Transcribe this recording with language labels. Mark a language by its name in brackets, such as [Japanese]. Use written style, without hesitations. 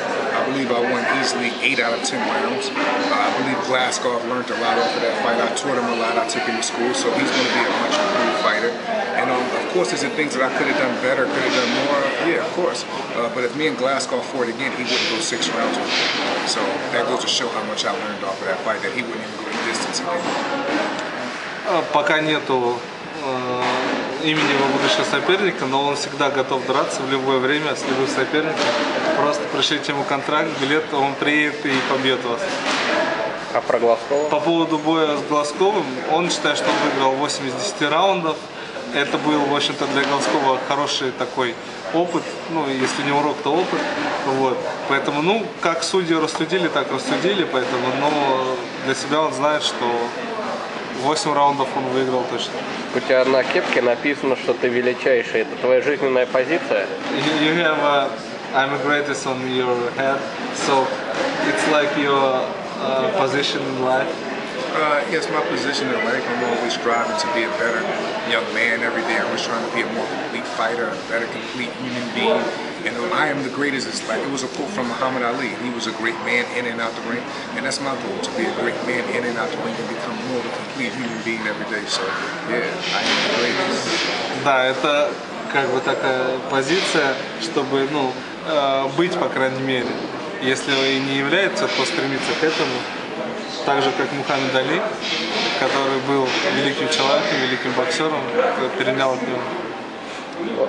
[English] I believe I won easily 8 out of 10 rounds. I believe Glasgow learned a lot off of that fight. I taught him a lot. I took him to school, so he's going to be a much improved fighter. And of course, is there things that I could have done better, could have done more? Yeah, of course. But if me and Glasgow fought again, he wouldn't go 6 rounds with me. So that goes to show how much I learned off of that fight, that he wouldn't even go any distance again. [Russian] Пока нету имени его будущего соперника, но он всегда готов драться в любое время с любым соперником. Просто пришлите ему контракт, билет, он приедет и побьет вас. А про Глазкова? По поводу боя с Глазковым, он считает, что он выиграл 8 из 10 раундов. Это был, в общем-то, для Глазкова хороший такой опыт. Ну, если не урок, то опыт. Вот. Поэтому, ну, как судьи рассудили, так рассудили. Поэтому, но для себя он знает, что 8 раундов он выиграл точно. У тебя на кепке написано, что ты величайший. Это твоя жизненная позиция? [English] You have a, I'm the greatest on your head. So it's like your position in life. Yes, my position in life. I'm always striving to be a better young man every day. I'm always trying to be a more complete fighter, a better complete human being. And I am the greatest. It's like, it was a quote from Muhammad Ali. He was a great man in and out the ring. And that's my goal, to be a great man in and out the ring and become more of a complete human being every day. So, yeah, I am the greatest. [Russian] Да, это как бы такая позиция, чтобы, ну, быть, по крайней мере. Если он и не является, то стремиться к этому. Так же, как Мухаммед Али, который был великим человеком, великим боксером, перенял от него.